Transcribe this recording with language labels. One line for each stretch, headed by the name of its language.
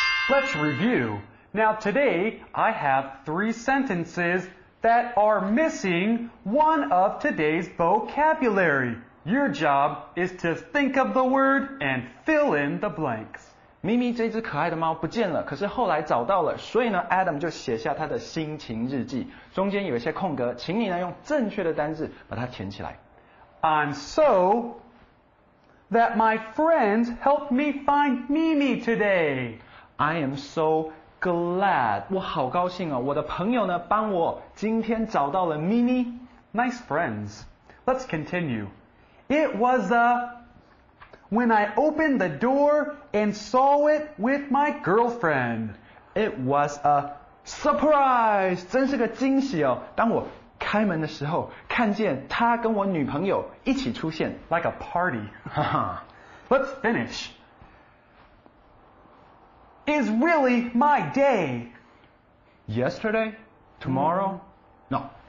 English: Let's review. Now today, I have 3 sentences that are missing one of today's vocabulary. Your job is to think of the word and fill in the blanks.
Chinese: Mimi 这只可爱的猫不见了，可是后来找到了，所以呢 ，Adam 就写下他的心情日记，中间有一些空格，请你呢用正确的单字把它填起来。
English: I'm so. That my friends helped me find Mimi today. I am so glad.
Chinese: 我好高兴哦，我的朋友呢帮我今天找到了 Mimi.
English: Nice friends. Let's continue. It was a... When I opened the door and saw it with my girlfriend. It was a surprise.
Chinese: 真是个惊喜哦。当我开门的时候看见他跟我女朋友一起出现
English: Like a party Let's finish is really my day. Yesterday? Tomorrow? No,